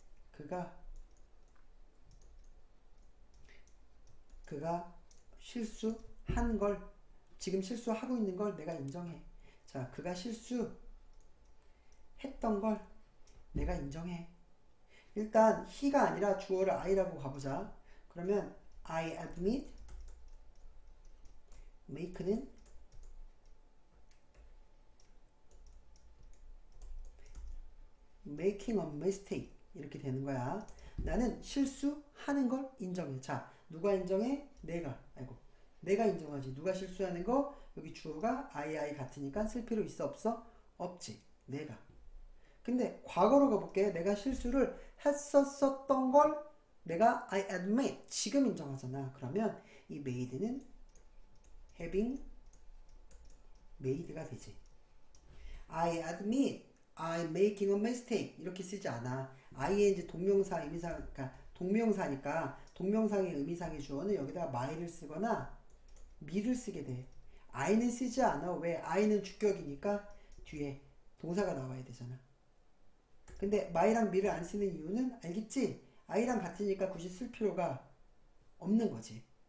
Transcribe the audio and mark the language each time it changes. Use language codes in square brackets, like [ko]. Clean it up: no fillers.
[ko] 그가 그가 실수한 걸, 지금 실수하고 있는 걸 내가 인정해. 자, 그가 실수했던 걸 내가 인정해. 일단, he가 아니라 주어를 I라고 가보자. 그러면, [en] I admit, make는 making a mistake [ko] 이렇게 되는 거야. 나는 실수하는 걸 인정해. 자, 누가 인정해? 내가. 아이고, 내가 인정하지. 누가 실수하는 거? 여기 주어가 I 같으니까 쓸 필요 있어 없어? 없지. 내가. 근데 과거로 가볼게. 내가 실수를 했었었던 걸 내가 [en] I admit [ko] 지금 인정하잖아. 그러면 이 made는 having made가 되지. [en] I admit I'm making a mistake [ko] 이렇게 쓰지 않아. ing 동명사 의미상 그러니까 동명사니까 동명사의 의미상의 주어는 여기다가 my를 쓰거나 me를 쓰게 돼. I는 쓰지 않아. 왜? I는 주격이니까 뒤에 동사가 나와야 되잖아. 근데 my랑 me를 안 쓰는 이유는 알겠지? I랑 같으니까 굳이 쓸 필요가 없는 거지.